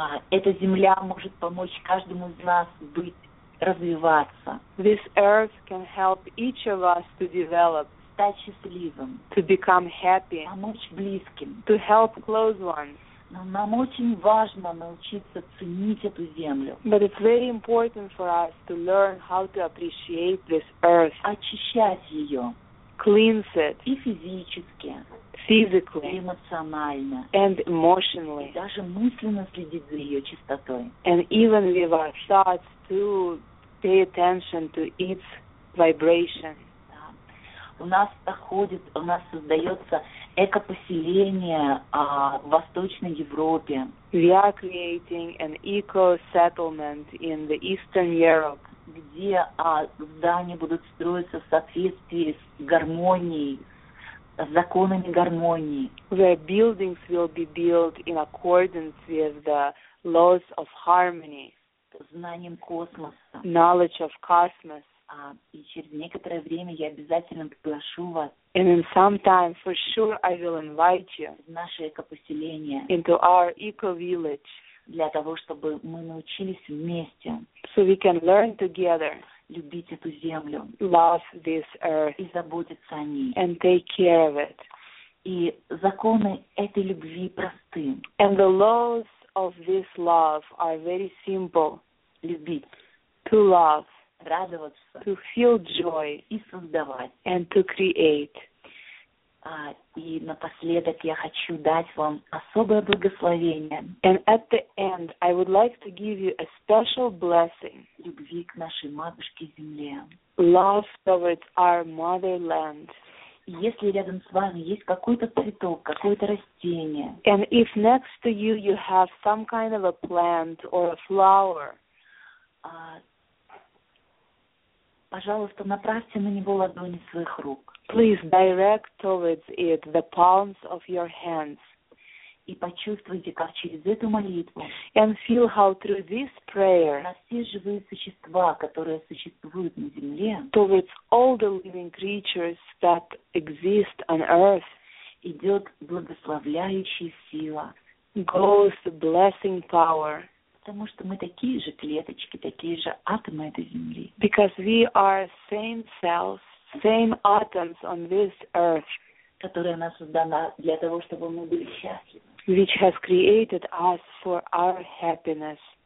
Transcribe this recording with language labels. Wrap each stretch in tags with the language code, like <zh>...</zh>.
<ru>Эта земля может помочь каждому из нас быть развиваться.</ru> <en>This earth can help each of us to develop,</en> <ru>стать счастливым,</ru> <en>to become happy,</en> <ru>помочь близким,</ru> <en>to help close ones.</en> <ru>Но нам очень важно научиться ценить эту землю.</ru> <en>But it's very important for us to learn how to appreciate this earth.</en> <ru>Очищать ее.</ru> <en>Cleanse it.</en> <ru>И физически.</ru> <en>Physically.</en> <ru>И эмоционально.</ru> <en>And emotionally.</en> <ru>И даже мысленно следить за ее чистотой.</ru> <en>And even with our thoughts to pay attention to its vibration.</en> <ru>Да. У нас доходит, у нас создается эко-поселение в Восточной Европе.</ru> <en>We are creating an eco-settlement in the Eastern Europe.</en> <ru>Где здания будут строиться в соответствии с гармонией, с законами гармонии.</ru> <en>Where buildings will be built in accordance with the laws of harmony.</en> <ru>Знанием космоса.</ru> <en>Knowledge of cosmos.</en> <ru>И через некоторое время я обязательно приглашу вас.</ru> <en>And in some time, for sure, I will invite you</en> <ru>в наше эко-поселение.</ru> <en>Into our eco-village.</en> <ru>Для того, чтобы мы научились вместе.</ru> <en>So we can learn together.</en> <ru>Любить эту землю.</ru> <en>Love this earth.</en> <ru>И заботиться о ней.</ru> <en>And take care of it.</en> <ru>И законы этой любви просты.</ru> <en>And the laws of this love are very simple.</en> <ru>Любить.</ru> <en>To love.</en> <ru>Радоваться.</ru> <en>To feel joy.</en> <ru>И создавать.</ru> <en>And to create.</en> <ru>И напоследок я хочу дать вам особое благословение.</ru> <en>And at the end, I would like to give you a special blessing.</en> <ru>Любви к нашей матушке земле.</ru> <en>Love towards our motherland.</en> <ru>Если рядом с вами есть какой-то цветок, какое-то растение.</ru> <en>And if next to you you have some kind of a plant or a flower.</en> <ru>Пожалуйста, направьте на него ладони своих рук.</ru> <en>Please direct towards it the palms of your hands.</en> <ru>И почувствуйте, как через эту молитву.</ru> <en>And feel how through this prayer.</en> <ru>На все живые существа, которые существуют на земле.</ru> <en>Towards all the living creatures that exist on earth.</en> <ru>Идет благословляющая сила.</ru> <en>Goes the blessing power.</en> <ru>Потому что мы такие же клеточки, такие же атомы этой земли.</ru> <en>Because we are same cells, same atoms on this earth.</en> <ru>Которая нас создана для того, чтобы мы были счастливы.</ru> <en>Which has created us for our happiness.</en>